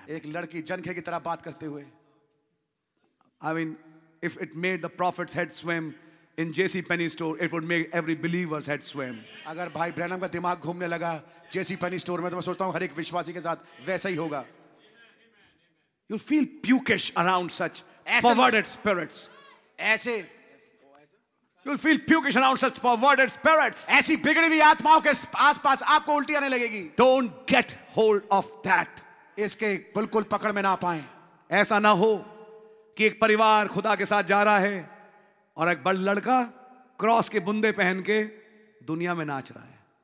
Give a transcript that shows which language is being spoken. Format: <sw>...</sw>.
<hi>एक लड़की जनखे की तरह बात करते हुए.</hi> <en>I mean, if it made the prophet's head swim in J.C. Penney store, it would make every believer's head swim.</en> <hi>अगर भाई ब्रैनम का दिमाग घूमने लगा J.C. Penney store में तो मैं सोचता हूँ हर एक विश्वासी के साथ वैसा ही होगा.</hi> <en>You feel pukish around such perverted spirits.</en> <hi>ऐसे.</hi> <en>You'll feel pukish around such perverted spirits.</en> <hi>ऐसी बिगड़ी हुई आत्माओं के आसपास आपको उल्टी आने लगेगी.</hi> <en>Don't get hold of that.</en> <hi>इसके बिल्कुल पकड़ में ना पाए. ऐसा ना हो कि एक परिवार खुदा के साथ जा रहा है और एक बड़ लड़का क्रॉस के बुंदे पहन के दुनिया में नाच रहा है.</hi>